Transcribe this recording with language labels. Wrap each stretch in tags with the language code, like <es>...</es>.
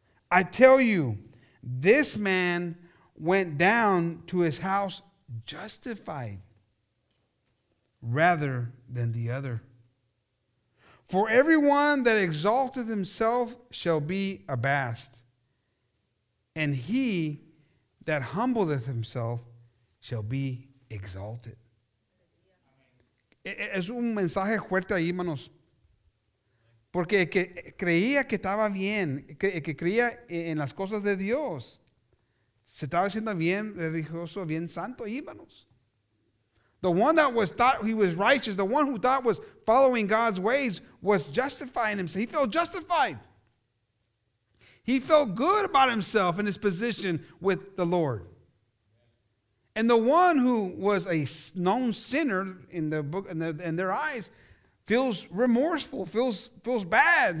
<en>I tell you, this man went down to his house justified rather than the other. For everyone that exalteth himself shall be abased, and he that humbleth himself shall be exalted.</en> <es>Es un mensaje fuerte ahí, hermanos. Porque que creía que estaba bien, que creía en las cosas de Dios, se estaba haciendo bien religioso, bien santo ahí, hermanos.</es> <en>The one that was thought he was righteous, the one who thought was following God's ways, was justifying himself. He felt justified. He felt good about himself and his position with the Lord. And the one who was a known sinner in the book in their eyes feels remorseful, feels bad.</en>